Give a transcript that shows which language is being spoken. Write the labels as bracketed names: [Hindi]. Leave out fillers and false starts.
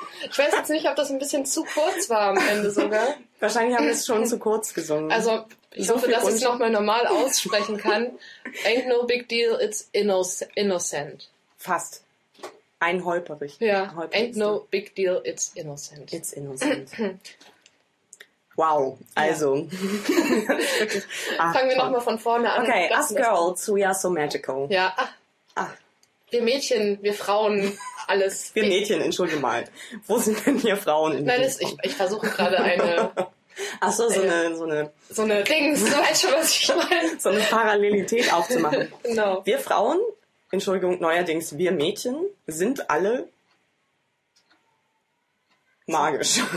[German] Ich weiß jetzt nicht, ob das ein bisschen zu kurz war am Ende sogar. Wahrscheinlich haben wir es schon zu kurz gesungen. Also, ich hoffe, dass ich es nochmal normal aussprechen kann. [English] Ain't no big deal, it's innocent. [German] Fast. Ein holperig. [English] Ja, ain't no big deal, it's innocent. It's innocent. Wow, also. [German] Ja. Fangen wir nochmal von vorne an. [English] Okay, us girls, we are so magical. [German] Ja, wir Mädchen, wir Frauen, alles. Wir Mädchen, entschuldige mal. Wo sind denn hier Frauen in diesem Raum? Nein, ich versuche gerade eine... Ach so, so eine... So eine Dings, weißt du, was ich meine? So eine Parallelität aufzumachen. Genau. Wir Frauen, Entschuldigung, neuerdings, wir Mädchen, sind alle magisch.